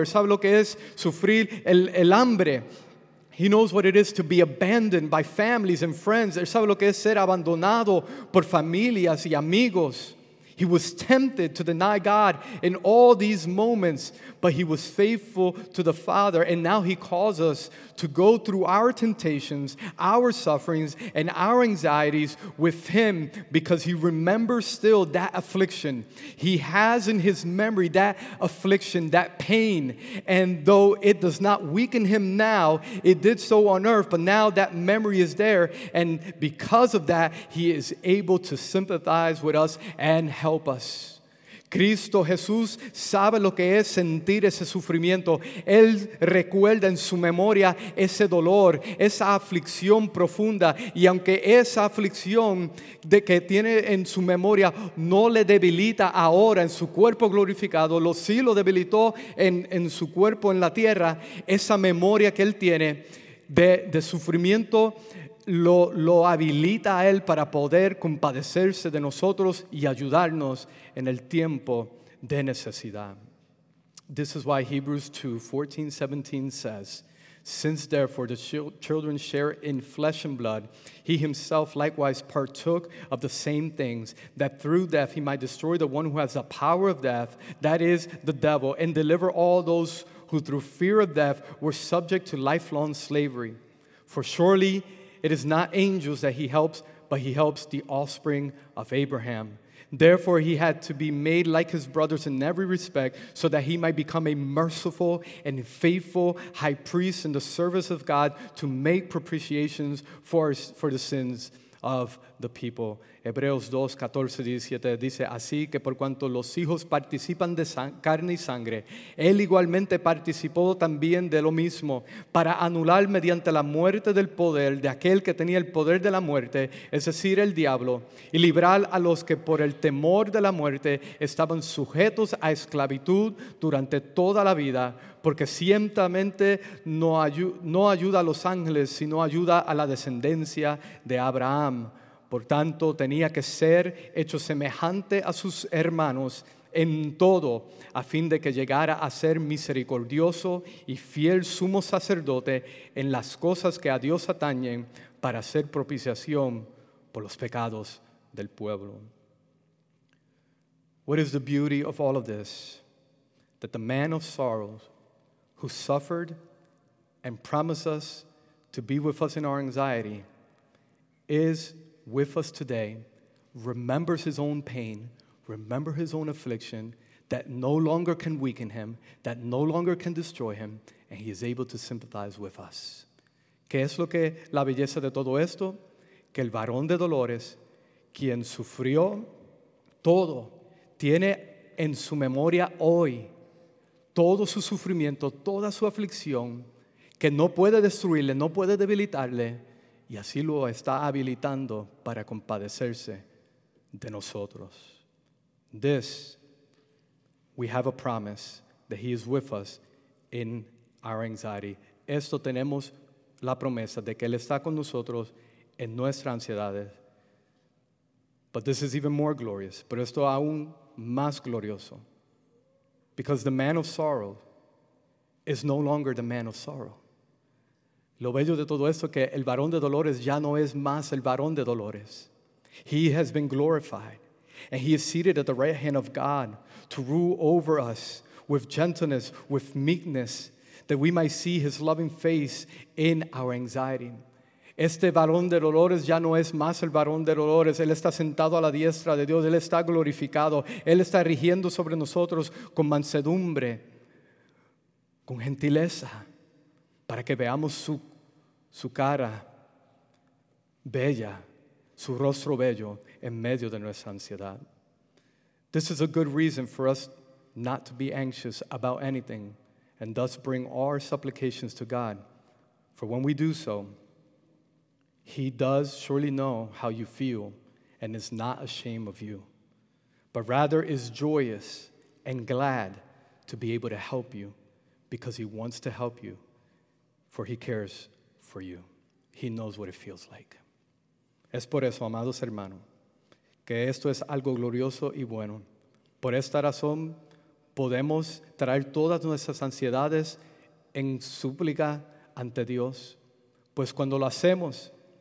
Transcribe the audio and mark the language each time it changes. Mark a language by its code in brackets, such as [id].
[es] Él sabe lo que es sufrir el hambre. [en] He knows what it is to be abandoned by families and friends. [es] Él sabe lo que es ser abandonado por familias y amigos. [en] He was tempted to deny God in all these moments, but He was faithful to the Father, and now He calls us to go through our temptations, our sufferings, and our anxieties with Him, because He remembers still that affliction. He has in His memory that affliction, that pain, and though it does not weaken Him now, it did so on earth, but now that memory is there, and because of that, He is able to sympathize with us and help us. [es] Cristo Jesús sabe lo que es sentir ese sufrimiento. Él recuerda en su memoria ese dolor, esa aflicción profunda. Y aunque esa aflicción de que tiene en su memoria no le debilita ahora en su cuerpo glorificado, sí lo debilitó en su cuerpo en la tierra, esa memoria que él tiene de sufrimiento lo habilita a Él para poder compadecerse de nosotros y ayudarnos en el tiempo de necesidad. [en] This is why Hebrews 2:14-17 says, "Since therefore the children share in flesh and blood, He Himself likewise partook of the same things, that through death He might destroy the one who has the power of death, that is, the devil, and deliver all those who through fear of death were subject to lifelong slavery. For surely it is not angels that He helps, but He helps the offspring of Abraham. Therefore, He had to be made like His brothers in every respect, so that He might become a merciful and faithful high priest in the service of God to make propitiations for the sins of the people." [es] Hebreos 2:14-17 dice, "Así que por cuanto los hijos participan de carne y sangre, Él igualmente participó también de lo mismo, para anular mediante la muerte del poder de aquel que tenía el poder de la muerte, es decir, el diablo, y librar a los que por el temor de la muerte estaban sujetos a esclavitud durante toda la vida, porque ciertamente no ayuda a los ángeles, sino ayuda a la descendencia de Abraham. Por tanto, tenía que ser hecho semejante a sus hermanos en todo, a fin de que llegara a ser misericordioso y fiel sumo sacerdote en las cosas que a Dios atañen para hacer propiciación por los pecados del pueblo." [en] What is the beauty of all of this? That the man of sorrows who suffered and promised us to be with us in our anxiety is with us today, remembers his own pain, remember his own affliction, that no longer can weaken him, that no longer can destroy him, and he is able to sympathize with us. [es] ¿Qué es lo que la belleza de todo esto? Que el varón de dolores, quien sufrió todo, tiene en su memoria hoy todo su sufrimiento, toda su aflicción, que no puede destruirle, no puede debilitarle, y así lo está habilitando para compadecerse de nosotros. [en] This, we have a promise that he is with us in our anxiety. [es] Esto tenemos la promesa de que él está con nosotros en nuestras ansiedades. [en] But this is even more glorious. [es] Pero esto aún más glorioso. [en] Because the man of sorrow is no longer the man of sorrow. [es] Lo bello de todo esto es que el varón de dolores ya no es más el varón de dolores. [en] He has been glorified, and he is seated at the right hand of God to rule over us with gentleness, with meekness, that we might see his loving face in our anxiety. [es] Este varón de dolores ya no es más el varón de dolores. Él está sentado a la diestra de Dios. Él está glorificado. Él está rigiendo sobre nosotros con mansedumbre, con gentileza, para que veamos su cara bella, su rostro bello en medio de nuestra ansiedad. [en] This is a good reason for us not to be anxious about anything and thus bring our supplications to God. For when we do so, he does surely know how you feel and is not ashamed of you, but rather is joyous and glad to be able to help you because he wants to help you, for he cares for you. He knows what it feels like. [es] Es por eso, amados hermanos, que esto es algo glorioso y bueno. Por esta razón, podemos traer todas nuestras ansiedades en súplica ante Dios, pues cuando lo hacemos,